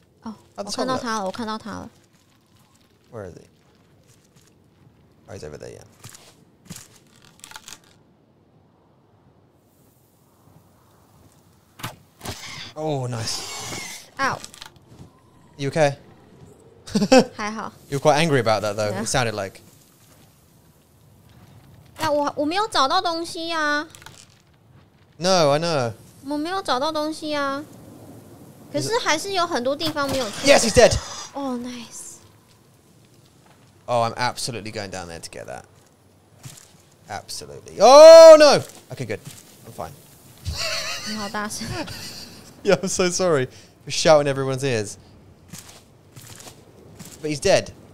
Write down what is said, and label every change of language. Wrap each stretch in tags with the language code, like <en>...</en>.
<zh>Oh, 我看到他了,我看到他了。</zh> <en>Where is he? Oh, he's over there, yeah. Oh, nice. Ow. You okay?</en> <zh>还好.</zh> <en>You're quite angry about that, though. Yeah. It sounded like.</en> <zh>我没有找到东西啊.</zh> <en>No, I know.</en> <zh>我没有找到东西啊. 可是还是有很多地方没有去.</zh> <en>Yes, he's dead. Oh, nice. Oh, I'm absolutely going down there to get that. Absolutely. Oh, no. Okay, good. I'm fine.</en> <zh>你好大声。</zh> <en>Yeah, I'm so sorry for shouting everyone's ears. But he's dead.</en>